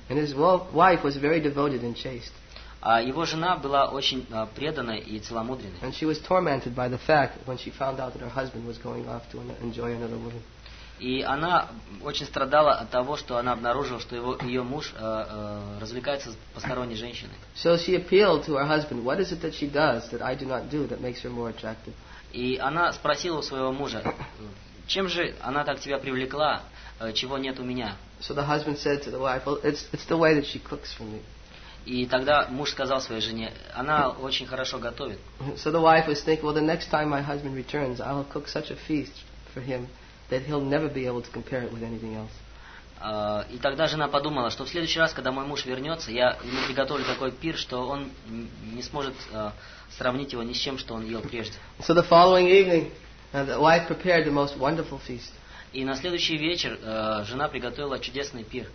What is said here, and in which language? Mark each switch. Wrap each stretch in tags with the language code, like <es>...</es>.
<en>And his wife was very devoted and chaste.</en> <ru>А его жена была очень преданной и целомудренной.</ru> <en>And she was tormented by the fact when she found out that her husband was going off to enjoy another woman.</en> <ru>И она очень страдала от того, что она обнаружила, что ее муж развлекается с посторонней женщиной.</ru> <en>So she appealed to her husband, what is it that she does that I do not do that makes her more attractive?</en> <ru>И она спросила у своего мужа, чем же она так тебя привлекла, чего нет у меня?</ru> <en>So the husband said to the wife, well, it's the way that she cooks for me.</en> <ru>И тогда муж сказал своей жене, она очень хорошо готовит.</ru> <en>So the wife was thinking, well, the next time my husband returns, I'll cook such a feast for him that he'll never be able to compare it with anything else.</en> <ru>И тогда жена подумала, что в следующий раз, когда мой муж вернется, я ему приготовлю такой пир, что он не сможет сравнить его ни с чем, что он ел прежде.</ru> <en>So the following evening, the wife prepared the most wonderful feast.</en> <ru>И на следующий вечер жена приготовила чудесный пир.</ru>